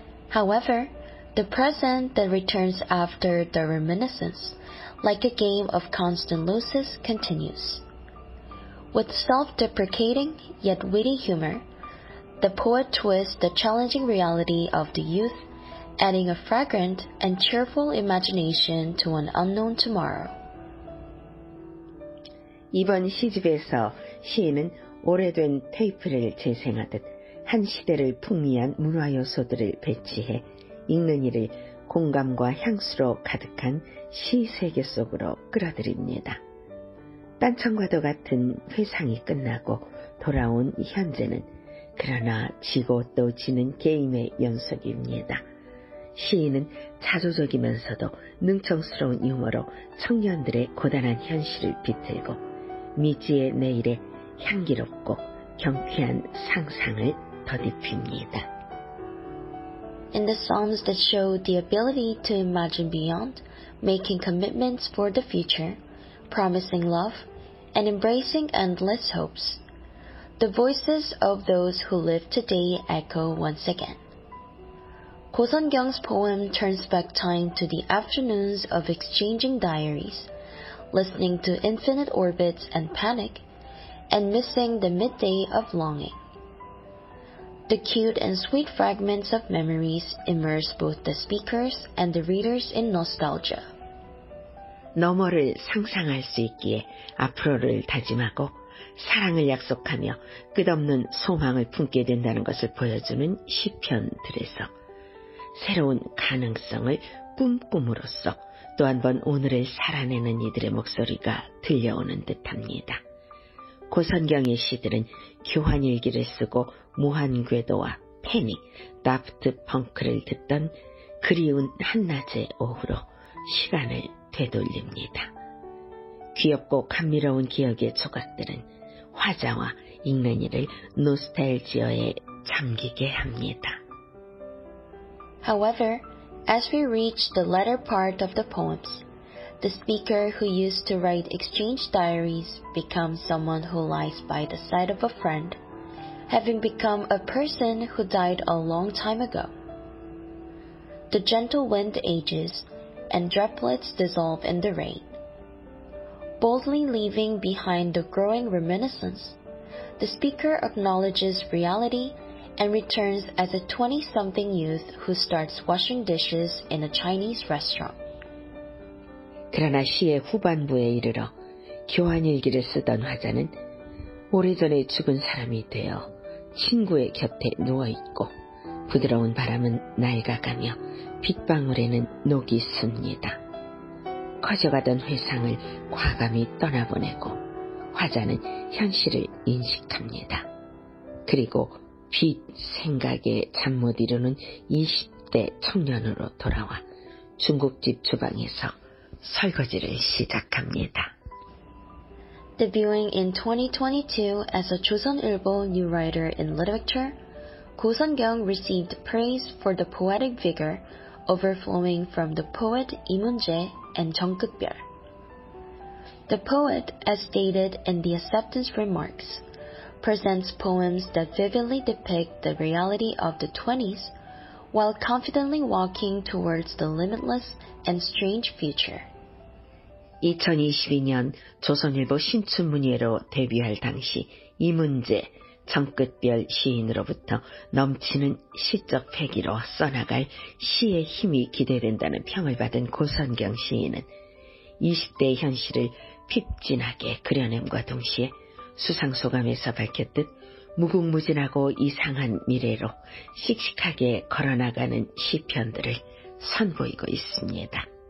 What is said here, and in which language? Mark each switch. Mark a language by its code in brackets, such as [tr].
[en] However, the present that returns after the reminiscence, like a game of constant losses, continues. With self-deprecating yet witty humor, the poet twists the challenging reality of the youth, adding a fragrant and cheerful imagination to an unknown tomorrow. [ko] 이번 시집에서 시인은 오래된 테이프를 재생하듯 한 시대를 풍미한 문화 요소들을 배치해 읽는 이를 공감과 향수로 가득한 시 세계 속으로 끌어들입니다. 딴청과도 같은 회상이 끝나고 돌아온 현재는 그러나 지고 또 지는 게임의 연속입니다. 시인은 자조적이면서도 능청스러운 유머로 청년들의 고단한 현실을 비틀고 미지의 내일에 향기롭고 경쾌한 상상을 덧입힙니다. [en] In the songs that show the ability to imagine beyond, making commitments for the future, promising love, and embracing endless hopes, the voices of those who live today echo once again. Go Sung-kyung's poem turns back time to the afternoons of exchanging diaries, listening to infinite orbits and panic, and missing the midday of longing. The cute and sweet fragments of memories immerse both the speakers and the readers in nostalgia. [ko] 너머를 상상할 수 있기에 앞으로를 다짐하고 사랑을 약속하며 끝없는 소망을 품게 된다는 것을 보여주는 시편들에서 새로운 가능성을 꿈꿈으로써 또 한 번 오늘을 살아내는 이들의 목소리가 들려오는 듯합니다. 고선경의 시들은 교환일기를 쓰고 무한궤도와 패닉, 다프트 펑크를 듣던 그리운 한낮의 오후로 시간을 되돌립니다. 귀엽고 감미로운 기억의 조각들은 화자와 읽는 이를 노스텔지어에 잠기게 합니다. [en] However, as we reach the latter part of the poems, the speaker who used to write exchange diaries becomes someone who lies by the side of a friend, having become a person who died a long time ago. The gentle wind ages, and droplets dissolve in the rain. Boldly leaving behind the growing reminiscence, the speaker acknowledges reality and returns as a 20-something youth who starts washing dishes in a Chinese restaurant. [ko] 그러나 시의 후반부에 이르러 교환일기를 쓰던 화자는 오래전에 죽은 사람이 되어 친구의 곁에 누워있고 부드러운 바람은 낡아가며 빗방울에는 녹이 씁니다. 커져가던 회상을 과감히 떠나보내고 화자는 현실을 인식합니다. 그리고 빛 생각에 잠 못 이루는 20대 청년으로 돌아와 중국집 주방에서 설거지를 시작합니다. [en] Debuting in 2022 as a Joseon-ilbo new writer in literature, Go Sun-kyung received praise for the poetic vigor overflowing from the poet Lee Moon-jae and Jung Kuk-byul. The poet, as stated in the acceptance remarks, presents poems that vividly depict the reality of the 20s while confidently walking towards the limitless and strange future. [ko] 2022년 조선일보 신춘문예로 데뷔할 당시 이문재, 정끝별 시인으로부터 넘치는 시적 패기로 써나갈 시의 힘이 기대된다는 평을 받은 고선경 시인은 20대의 현실을 핍진하게 그려냄과 동시에 수상소감에서 밝혔듯 무궁무진하고 이상한 미래로 씩씩하게 걸어나가는 시편들을 선보이고 있습니다.